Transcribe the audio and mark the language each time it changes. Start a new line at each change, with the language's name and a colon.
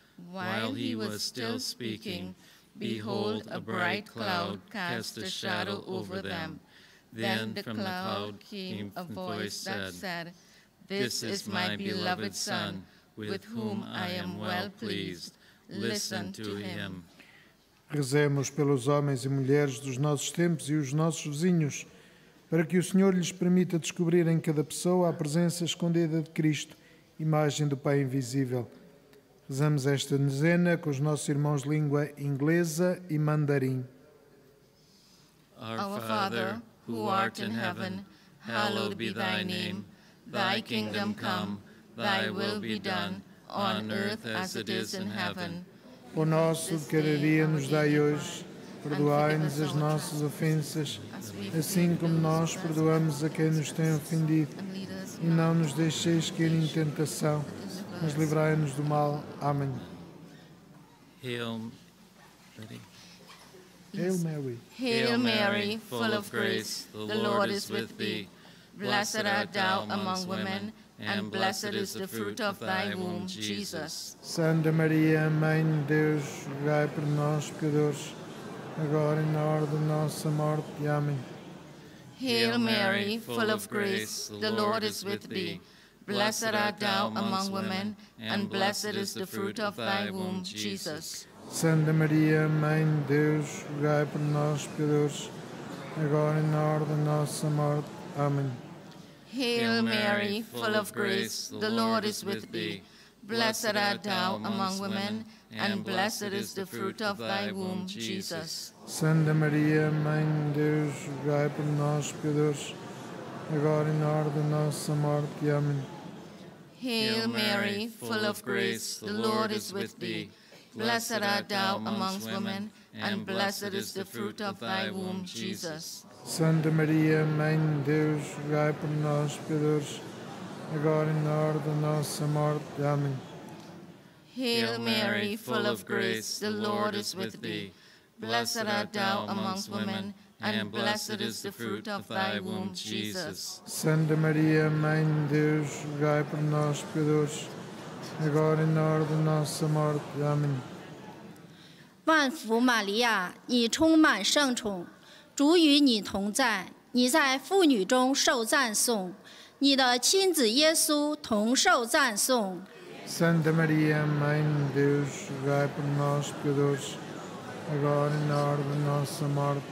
English: While he was still speaking, behold, a bright cloud cast a shadow over them. Then from the cloud came a voice that said, This is my beloved Son, with whom I am well pleased. Listen to him.
Portuguese: Rezemos pelos homens e mulheres dos nossos tempos e os nossos vizinhos, para que o Senhor lhes permita descobrir em cada pessoa a presença escondida de Cristo, imagem do Pai invisível. Rezamos esta dezena com os nossos irmãos de língua inglesa e mandarim.
English: Our Father, who art in heaven, hallowed be thy name. Thy kingdom come, thy will be done, on earth as it is in heaven.
Portuguese: O nosso de cada dia nos dai hoje, perdoai-nos as nossas ofensas, assim como nós perdoamos a quem nos tem ofendido. E não nos deixeis cair em tentação, mas livrai-nos do mal. Amém.
English: Hail Mary, full of grace, the Lord is with thee. Blessed art thou among women, and blessed is the fruit of thy womb, Jesus.
Portuguese: Santa Maria, Mãe de Deus, rogai por nós, pecadores, agora e na hora da nossa morte. Amém.
English: Hail Mary, full of grace, the Lord is with thee. Blessed art thou among women, and blessed is the fruit of thy womb, Jesus.
Portuguese: Santa Maria, Mãe de Deus, rogai por nós, pecadores, agora e na hora da nossa morte. Amém.
English: Hail Mary, full of grace, the Lord is with thee. Blessed art thou among women, and blessed is the fruit of thy womb, Jesus.
Portuguese: Santa Maria, Mãe de Deus, rogai por nós, pecadores, agora e na hora da nossa morte. Amém.
English: Hail Mary, full of grace, the Lord is with thee. Blessed art thou amongst women, and blessed is the fruit of thy womb, Jesus.
Portuguese: Santa Maria, Mãe de Deus, rogai por nós, pecadores, agora e na hora da nossa morte. Amém.
English: Hail Mary, full of grace, the Lord is with thee. Blessed art thou amongst women, and blessed is the fruit of thy womb, Jesus.
Portuguese: Santa Maria, Mãe de Deus, rogai por nós, pecadores, agora e na hora da nossa morte. Amém.
Chinese: 万福玛利亚，你充满圣宠。主与你同在，你在妇女中受赞颂，你的亲子耶稣同受赞颂。
Portuguese: Santa Maria, Mãe de Deus, rogai por nós, pecadores, agora e na hora da nossa morte.